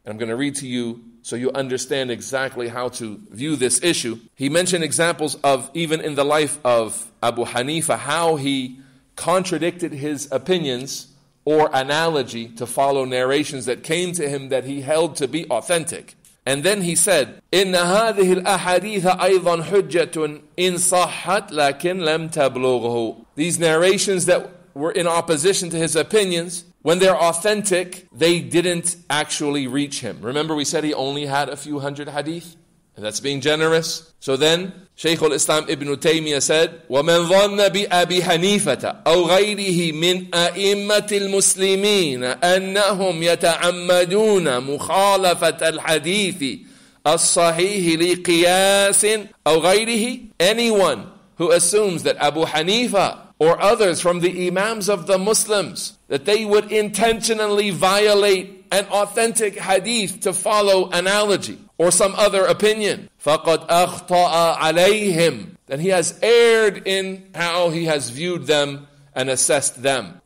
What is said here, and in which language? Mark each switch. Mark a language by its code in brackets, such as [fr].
[en] And I'm going to read to you so you understand exactly how to view this issue. He mentioned examples of, even in the life of Abu Hanifa, how he contradicted his opinions or analogy to follow narrations that came to him that he held to be authentic. And then he said, [ar] إِنَّ هَذِهِ الْأَحَدِيثَ أَيْضًا حُجَّةٌ إِنْ صَحَّتْ لَكِنْ لَمْ تَبْلُغْهُ. [en] These narrations that were in opposition to his opinions, when they're authentic, they didn't actually reach him. Remember we said he only had a few hundred hadith? And that's being generous. So then, Shaykh al-Islam Ibn Taymiyyah said, [ar] وَمَنْ ظَنَّ بِأَبِي حَنِيفَةَ أَوْ غَيْرِهِ مِنْ أَئِمَّةِ الْمُسْلِمِينَ أَنَّهُمْ يَتَعَمَّدُونَ مُخَالَفَةَ الْحَدِيثِ الصَّحِيحِ لِقِيَاسٍ أَوْ غَيْرِهِ. [en] Anyone who assumes that Abu Hanifa or others from the Imams of the Muslims, that they would intentionally violate an authentic hadith to follow analogy or some other opinion, [ar] فَقَدْ أَخْطَأَ عَلَيْهِمْ, [en] then he has erred in how he has viewed them and assessed them.